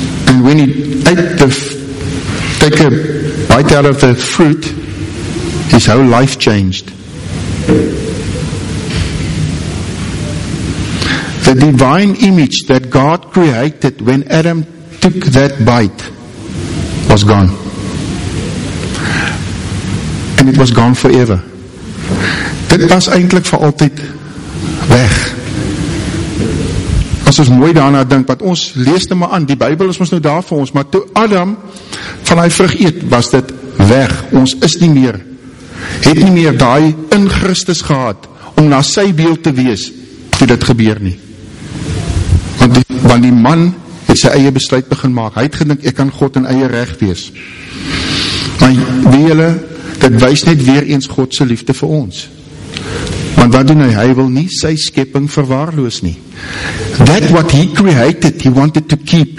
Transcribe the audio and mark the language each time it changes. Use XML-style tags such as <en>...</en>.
<en>And when he take a bite out of the fruit, his whole life changed. The divine image that God created when Adam took that bite was gone. And it was gone forever.</en> <af>Dit was eintlik vir altyd weg. As ons mooi daarna dink, wat ons lees nou maar aan, die Bybel is ons nou daar vir ons, maar toe Adam van hy vrug eet, was dit weg. Ons is nie meer, het nie meer daai in Christus gehad, om na sy beeld te wees, toe dit gebeur nie. Want die man het sy eie besluit begin maak. Hy het gedink, ek kan God in eie reg wees. Maar wie julle, dit wys net weer eens God se liefde vir ons. Want wat doen hy? Hy wil nie sy skepping verwaarloos nie.</af> <en>That what he created, he wanted to keep.</en>